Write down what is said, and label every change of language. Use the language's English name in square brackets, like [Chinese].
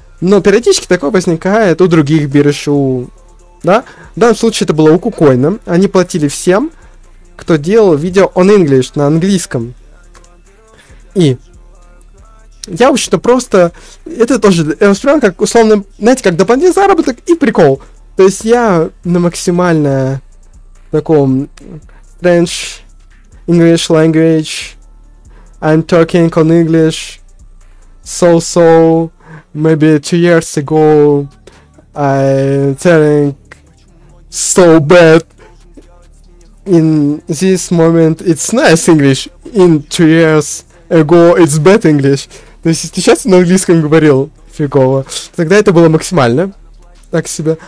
[Russian] Но периодически такое возникает у других бирж. Да? В данном случае это было у Кукоина. Они платили всем, кто делал видео [English] on English, [Russian] на английском. И я вообще-то просто... Это тоже, я воспринимал как условно, знаете, как дополнительный заработок и прикол. То есть я на максимально таком [English] French, English language, I'm talking on English, so-so, maybe 2 years ago, I'm telling so bad. In this moment it's nice English, in 2 years ago it's bad English. [Russian] То есть если сейчас на английском говорил фигово, тогда это было максимально так себе.